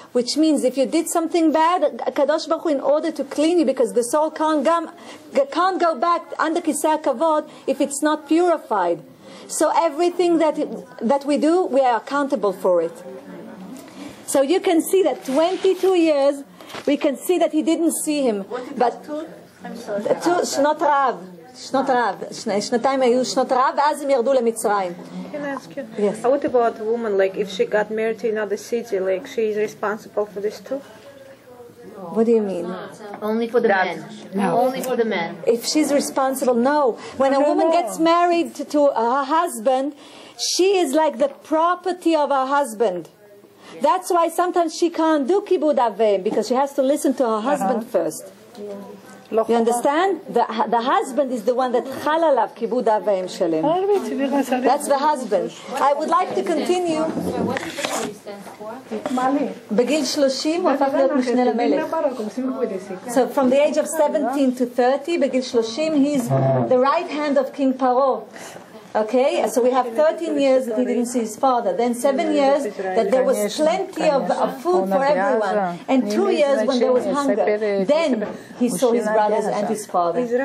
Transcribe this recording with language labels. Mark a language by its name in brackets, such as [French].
[English] Which means if you did something bad, Kadosh Baruch Hu, in order to clean you, because the soul can't go back under Kisei HaKavod if it's not purified. So everything that we do, we are accountable for it. So you can see that 22 years, we can see that he didn't see him. What did two? I'm sorry. Two, Shnot Rav. [Hebrew] שנות רב, שנתיים היו שנות רב, ואז הם ירדו למצרים. [English] Can I ask you? Yes. What about a woman, like if she got married to another city, like she is responsible for this too? What do you mean? Only for the men. No. Only for the men. If she's responsible, no. When a woman gets married to her husband, she is like the property of her husband. That's why sometimes she can't do kibud avim, because she has to listen to her husband first. You understand? The husband is the one that chalalav kibud avim shalim. That's the husband. I would like to continue. What does the stand for? [Hebrew] Begil 30, הוא הפך להיות משנה למלך. [English] So from the age of 17 to 30, [Hebrew] Begil 30, [English] he's the right hand of King Paro. Okay, so we have 13 years that he didn't see his father. Then 7 years that there was plenty of food for everyone. And 2 years when there was hunger. Then he saw his brothers and his father.